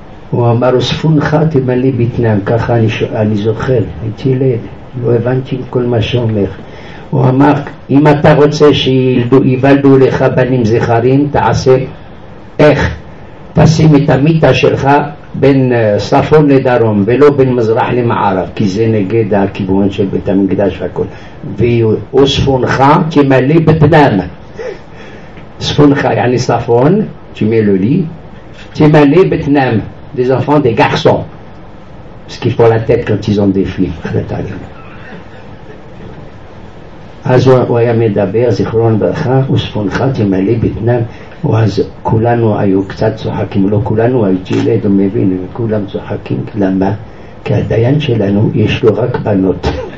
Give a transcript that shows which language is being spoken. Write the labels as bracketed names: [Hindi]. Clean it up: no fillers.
[Hebrew] הוא אמר, ספונך תמלא בטנם, ככה אני זוכר, הייתי ילד, לא הבנתי כל מה שאומר. הוא אמר, אם אתה רוצה שיבלדו לך בנים זכרים, תעשה איך? תשים את המיטה שלך בין ספון לדרום ולא בין מזרח למערב, כי זה נגד הכיוון של בית המקדש והכל. וספונך תמלא בטנם, ספונך יעני ספון תמלא לי, תמלא בטנם [French] des enfants des garçons, parce qu'ils font la tête quand ils ont des filles. [Hebrew] אז הוא היה מדבר, זיכרון ברכה, וספונך תמלא בטנם. ואז כולנו היו קצת צוחקים, לא כולנו, הייתי ילד ומבין, וכולם צוחקים. למה? כי הדיין שלנו יש לו רק בנות.